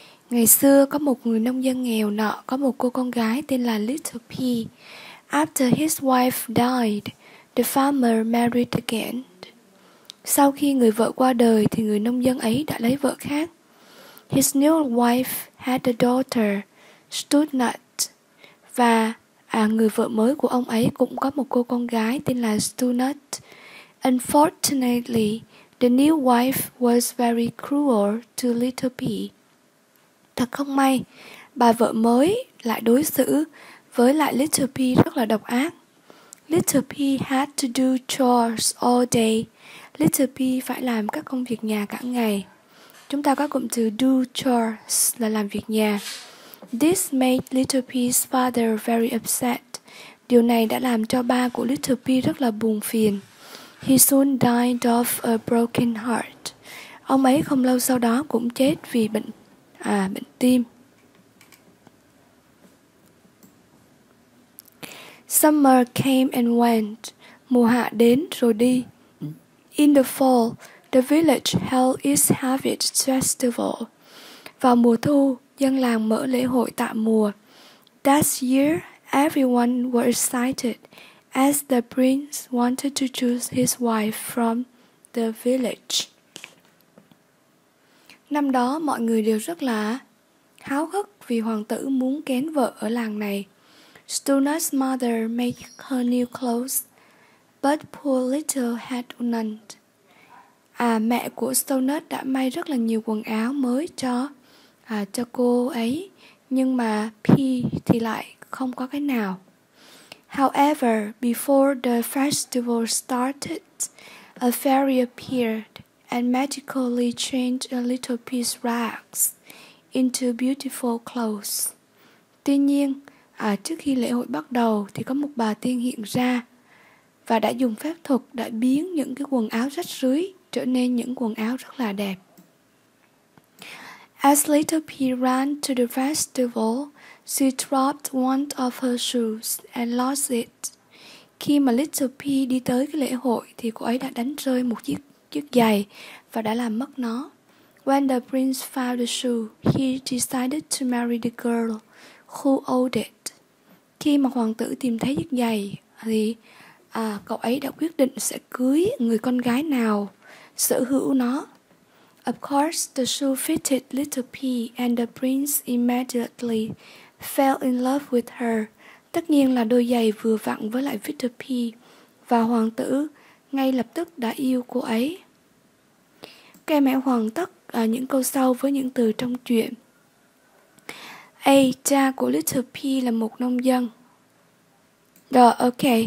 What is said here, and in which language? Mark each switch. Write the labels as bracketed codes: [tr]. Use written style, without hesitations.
[vi] Ngày xưa có một người nông dân nghèo nọ có một cô con gái tên là Little P. [en] After his wife died, the farmer married again. [vi] Sau khi người vợ qua đời thì người nông dân ấy đã lấy vợ khác. [en] His new wife had a daughter, Stutnut. [vi] Và người vợ mới của ông ấy cũng có một cô con gái tên là Stutnut. [en] Unfortunately, the new wife was very cruel to Little P. [vi] Thật không may, bà vợ mới lại đối xử với lại Little P rất là độc ác. [en] Little P had to do chores all day. [vi] Little P phải làm các công việc nhà cả ngày. Chúng ta có cụm từ do chores là làm việc nhà. [en] This made Little P's father very upset. [vi] Điều này đã làm cho ba của Little P rất là buồn phiền. [en] He soon died of a broken heart. [vi] Ông ấy không lâu sau đó cũng chết vì bệnh tim. [en] Summer came and went. [vi] Mùa hạ đến rồi đi. [en] In the fall, the village held its harvest festival. [vi] Vào mùa thu, dân làng mở lễ hội tạ mùa. [en] That year, everyone were excited as the prince wanted to choose his wife from the village. [vi] Năm đó, mọi người đều rất là háo hức vì hoàng tử muốn kén vợ ở làng này. [en] Stutnut's mother made her new clothes, but poor little had none. [vi] Mẹ của Stutnut đã may rất là nhiều quần áo mới cho cô ấy, nhưng mà P thì lại không có cái nào. [en] However, before the festival started, a fairy appeared and magically changed a little pea's rags into beautiful clothes. [vi] Tuy nhiên, trước khi lễ hội bắt đầu thì có một bà tiên hiện ra và đã dùng phép thuật để biến những cái quần áo rách rưới trở nên những quần áo rất là đẹp. [en] As little pea ran to the festival, she dropped one of her shoes and lost it. [vi] Khi mà little pea đi tới cái lễ hội thì cô ấy đã đánh rơi một chiếc giày và đã làm mất nó. [en] When the prince found the shoe, he decided to marry the girl who owned it. [vi] Khi mà hoàng tử tìm thấy chiếc giày thì cậu ấy đã quyết định sẽ cưới người con gái nào sở hữu nó. [en] Of course, the shoe fitted little pea and the prince immediately fell in love with her. [vi] Tất nhiên là đôi giày vừa vặn với lại little pea và hoàng tử ngay lập tức đã yêu cô ấy. Các em hãy hoàn tất những câu sau với những từ trong chuyện. A. Cha của little pea là một nông dân. Rồi, ok.